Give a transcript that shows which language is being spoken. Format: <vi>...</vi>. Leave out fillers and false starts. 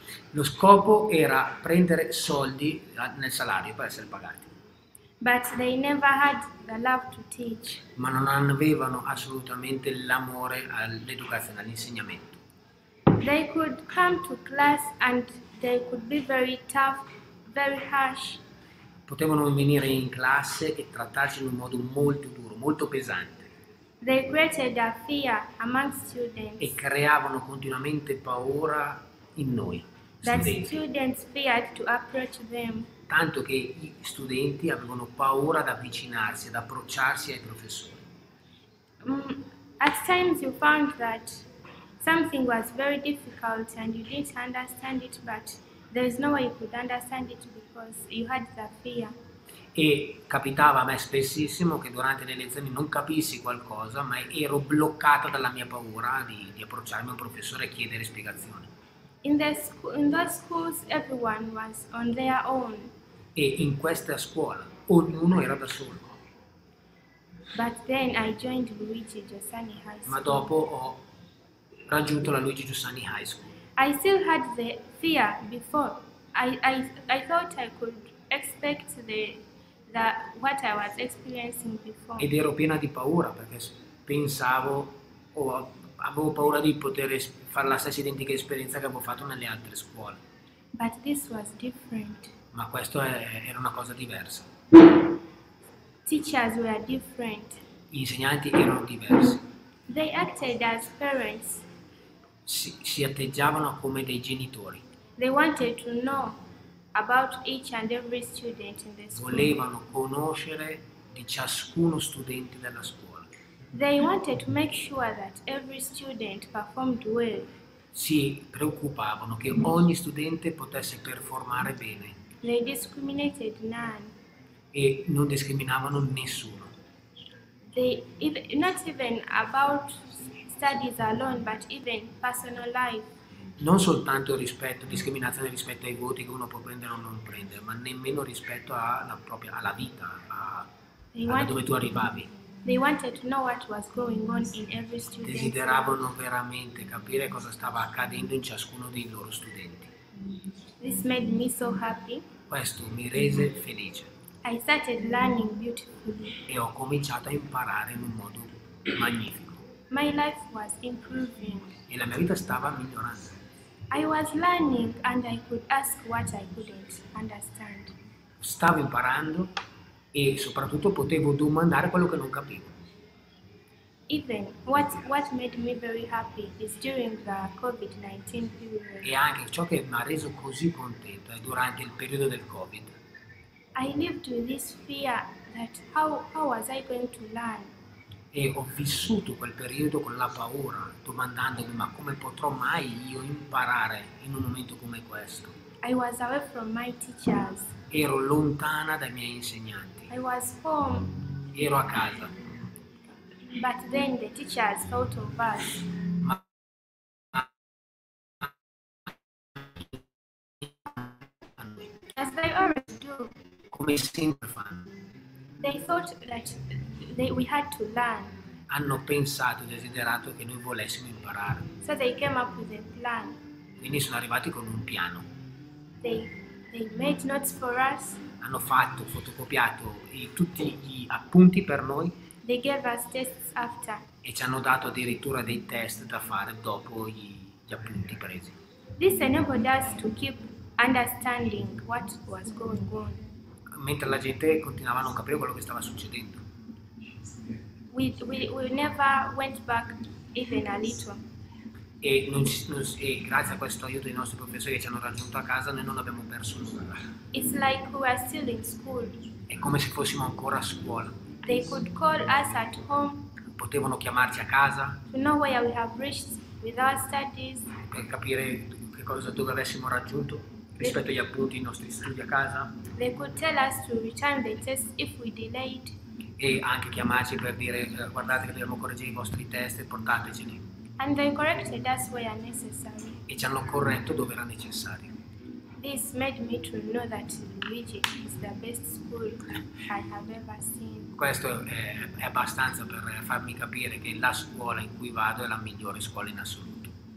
<it>Lo scopo era prendere soldi nel salario per essere pagati.</it> <en>But they never had the love to teach.</en> <it>Ma non avevano assolutamente l'amore all'educazione, all'insegnamento.</it> <en>They could come to class and they could be very tough, very harsh.</en> <it>Potevano venire in classe e trattarci in un modo molto duro, molto pesante.</it> <en>They created a fear among students.</en> <it>E creavano continuamente paura in noi.</it> <en>That</en> <it>studenti.</it> <en>Students feared to approach them.</en> <it>Tanto che gli studenti avevano paura ad avvicinarsi, ad approcciarsi ai professori.</it> <en>At times you found that something was very difficult and you didn't understand it, but there is no way you could understand it because you had the fear.</en> <it>E capitava a me spessissimo che durante le lezioni non capissi qualcosa, ma ero bloccata dalla mia paura di approcciarmi a un professore e chiedere spiegazioni.</it> <en>In those schools, everyone was on their own.</en> <it>E in questa scuola, ognuno era da solo.</it> <en>But then I joined Luigi Giussani High School.</en> <it>Ma dopo ho raggiunto la Luigi Giussani High School.</it> <en>I still had the fear before. I thought I could expect the what I was experiencing before.</en> <it>Ed ero piena di paura perché pensavo o avevo paura di poter fare la stessa identica esperienza che avevo fatto nelle altre scuole.</it> <en>But this was different.</en> <it>Ma questo era una cosa diversa.</it> <en>Teachers were different.</en> <it>Gli insegnanti erano diversi.</it> <en>They acted as parents.</en> <it>Si atteggiavano come dei genitori.</it> <en>They wanted to know about each and every student in the school.</en> <it>Volevano conoscere di ciascuno studente della scuola.</it> <en>They wanted to make sure that every student performed well.</en> <it>Si preoccupavano che ogni studente potesse performare bene.</it> <en>They discriminated none.</en> <it>E non discriminavano nessuno.</it> <en>They not even about studies alone, but even personal life.</en> <it>Non soltanto rispetto, discriminazione rispetto ai voti che uno può prendere o non prendere, ma nemmeno rispetto alla propria, alla vita, a dove tu arrivavi.</it> <en>They wanted to know what was going on in every student.</en> <it>Desideravano veramente capire cosa stava accadendo in ciascuno dei loro studenti.</it> <en>This made me so happy.</en> <it>Questo mi rese felice.</it> <en>I started learning beautifully.</en> <it>E ho cominciato a imparare in un modo magnifico.</it> <en>My life was improving.</en> <it>E la mia vita stava migliorando.</it> <en>I was learning and I could ask what I couldn't understand.</en> <it>Stavo imparando e soprattutto potevo domandare quello che non capivo.</it> <en>Even what made me very happy is during the COVID-19 period.</en> <it>E anche ciò che mi ha reso così contento è durante il periodo del COVID.</it> <en>I lived with this fear that how was I going to learn?</en> <it>E ho vissuto quel periodo con la paura, domandandomi ma come potrò mai io imparare in un momento come questo.</it> <en>I was away from my teachers.</en> <it>Ero lontana dai miei insegnanti.</it> <en>I was home.</en> <it>Ero a casa.</it> <en>But then the teachers thought of us.</en> <it>Ma</it> <en>as they always do.</en> <it>Come sempre fanno.</it> <en>They thought that we had to learn.</en> <it>Hanno pensato, desiderato che noi volessimo imparare.</it> <en>So they came up with a plan.</en> <it>Quindi sono arrivati con un piano.</it> <en>They made notes for us.</en> <it>Hanno fatto, fotocopiato tutti gli appunti per noi.</it> <en>They gave us tests after.</en> <it>E ci hanno dato addirittura dei test da fare dopo gli appunti presi.</it> <en>This enabled us to keep understanding what was going on.</en> <it>Mentre la gente continuava a non capire quello che stava succedendo.</it> <en>We never went back even a little.</en> <it>E grazie a questo aiuto dei nostri professori che ci hanno raggiunto a casa, noi non abbiamo perso nulla.</it> <en>It's like we are still in school.</en> <it>È come se fossimo ancora a scuola.</it> <en>They could call us at home.</en> <it>Potevano chiamarci a casa.</it> <en>To know where we have reached with our studies.</en> <it>Per capire che cosa dove avessimo raggiunto rispetto agli appunti, i nostri studi a casa.</it> <en>They could tell us to return the test if we delayed.</en> <it>E anche chiamarci per dire guardate che dobbiamo correggere i vostri test e portateceli.</it> <en>And they corrected us where necessary.</en> <it>E ci hanno corretto dove era necessario.</it> <en>This made me to know that Luigi is the best school I have ever seen.</en> <it>Questo è abbastanza per farmi capire che la scuola in cui vado è la migliore scuola in assoluto.</it>